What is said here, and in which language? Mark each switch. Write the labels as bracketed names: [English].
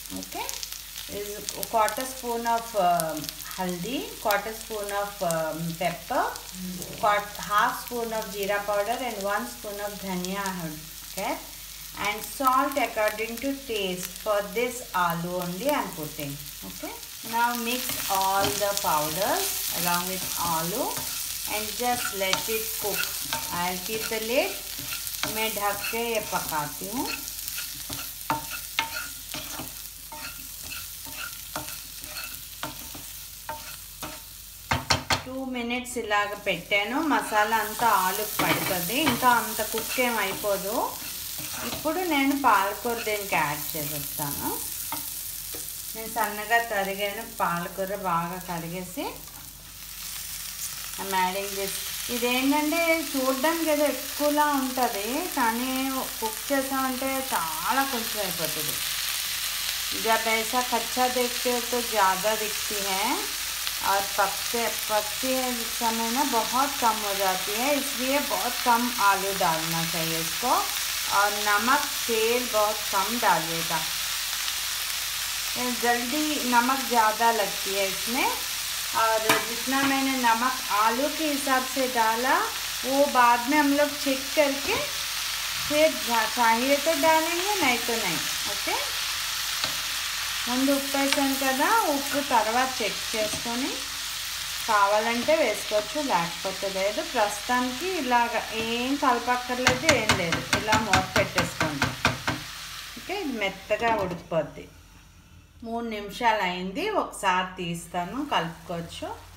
[English] Okay, 1/4 spoon of haldi, 1/4 spoon of pepper, 1/2 spoon of jeera powder and 1 spoon of dhania her and salt according to taste. For this aloo only I'm putting. Okay, now mix all the powders along with aloo and just let it cook. I'll keep the lid. [Hindi] main dhak ke ye pakati hu. [Telugu] two minutes ilaaga pettanu, masala anta aloo padtadi, inta anta cook em ayipodu. ippudu nenu palakur deniki add chestanu. నేను సన్నగా తరిగాను పాలకూర, బాగా కడిగేసి [English] I'm adding this. [Telugu] ఇదేంటంటే చూడడానికి ఏదో ఎక్కువలా ఉంటుంది, కానీ కుక్ చేసామంటే చాలా కొంచెం అయిపోతుంది. [Hindi] जब ऐसा खच्चा देखते हो तो ज़्यादा दिखती है, और पकते पकते समय ना बहुत कम हो जाती है, इसलिए बहुत कम आलू डालना चाहिए इसको, और नमक तेल बहुत कम डालिएगा। जल्दी नमक ज़्यादा लगती है इसमें, और जितना मैंने नमक आलू के हिसाब से डाला वो बाद में हम लोग चेक करके फिर चाहिए तो डालेंगे, नहीं तो नहीं। [Telugu] ओके, ముందు ఉప్పు వేసాను కదా, ఉప్పు తర్వాత చెక్ చేసుకొని కావాలంటే వేసుకోవచ్చు, లేకపోతే లేదు. ప్రస్తుతానికి ఇలాగ ఏం కలపక్కర్లేదు, ఏం లేదు, ఇలా మూత పెట్టేసుకోండి. ఓకే, ఇది మెత్తగా ఉడికిపోద్ది. 3 నిమిషాలు అయింది, ఒకసారి తీస్తాను కలుపుకోవచ్చు.